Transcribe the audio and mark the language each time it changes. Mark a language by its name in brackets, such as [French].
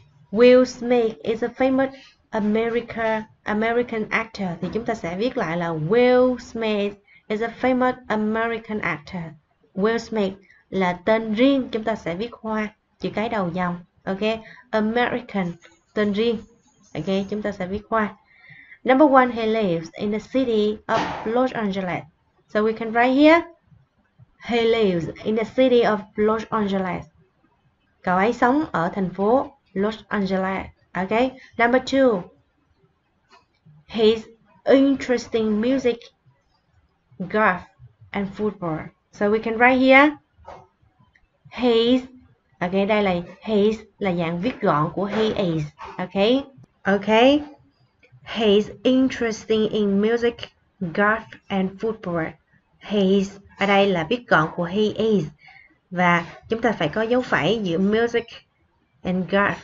[English] Will Smith is a famous American actor. [Vietnamese] Thì chúng ta sẽ viết lại là [English] Will Smith is a famous American actor. [Vietnamese] Will Smith là tên riêng, chúng ta sẽ viết hoa chữ cái đầu dòng. Ok, American, tên riêng. Ok, chúng ta sẽ viết hoa. [English] Number one, he lives in the city of Los Angeles. So we can write here, he lives in the city of Los Angeles. [Vietnamese] Cậu ấy sống ở thành phố Los Angeles. [English] Ok, number two, he's interesting music, golf and football. So we can write here, he's, ok, [Vietnamese] đây là [English] he's, [Vietnamese] là dạng viết gọn của [English] he is. Ok. Okay. He's interested in music, golf and football. [Vietnamese] He's, ở đây là viết gọn của he is. Và chúng ta phải có dấu phẩy giữa [English] music and golf.